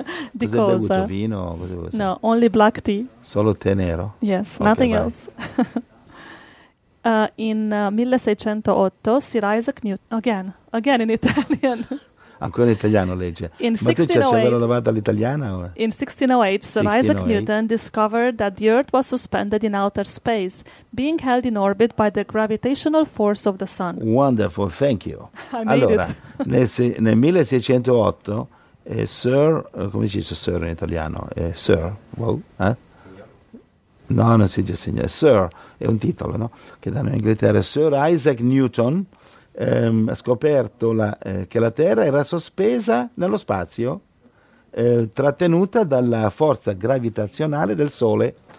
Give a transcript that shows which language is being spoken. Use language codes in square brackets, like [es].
[it] Di cosa? Cos'hai bevuto? Vino? [en] No, only black tea. [it] Solo tè nero? [en] Yes, okay, nothing bye. Else. In 1608, Sir Isaac Newton, again in Italian. [it] Ancora in italiano legge. [en] In [it] ma 1608, tu c'è l'avevo lavata all'italiana? O? [en] In 1608, Sir Isaac Newton discovered that the Earth was suspended in outer space, being held in orbit by the gravitational force of the Sun. Wonderful, thank you. I [it] allora, [en] made it. [it] nel 1608, Sir, come si dice Sir in italiano? Sir, wow, eh? No, non si dice signore, Sir, è un titolo, no? Che danno in Inghilterra, Sir Isaac Newton ha scoperto che la Terra era sospesa nello spazio, trattenuta dalla forza gravitazionale del Sole.